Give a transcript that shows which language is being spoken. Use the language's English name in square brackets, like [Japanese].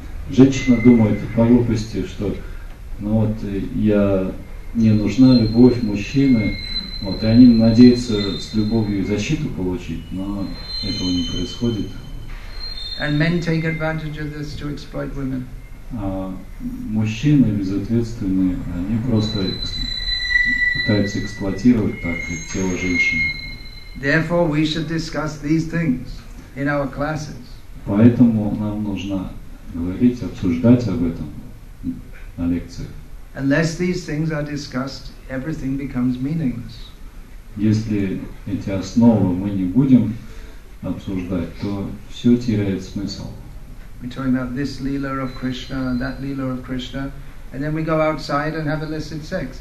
[Russian] Женщина думает по глупости, что ну вот я мне нужна любовь мужчины, вот и они надеются с любовью и защиту получить, но этого не происходит. [English] And men take advantage of this to exploit women. [Russian] А мужчины безответственные, они просто пытаются эксплуатировать так тело женщины. [English] Therefore, we should discuss these things in our classes. [Russian] Поэтому нам нужно говорить, обсуждать об этом на лекциях. [English] Unless these things are discussed, everything becomes meaningless. [Russian] Если эти основы мы не будем обсуждать, то все теряет смысл. [English] We're talking about this lila of Krishna, that lila of Krishna, and then we go outside and have illicit sex.